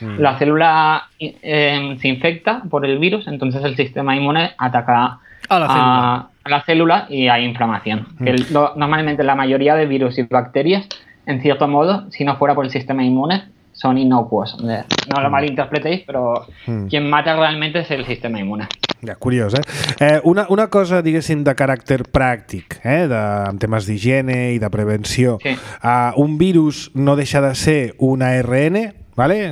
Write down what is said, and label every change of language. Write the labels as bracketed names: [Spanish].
[Spanish] La célula se infecta por el virus, entonces el sistema inmune ataca a la célula y hay inflamación. Normalmente la mayoría de virus y bacterias, en cierto modo, si no fuera por el sistema inmune, son inocuos. No lo malinterpretéis, pero quien mata realmente es el sistema inmune. [Catalan] Ja, curiós, una cosa, diguéssim, de caràcter pràctic, en temes d'higiene i de prevenció. Sí. Un virus no deixa de ser un ARN, ¿vale?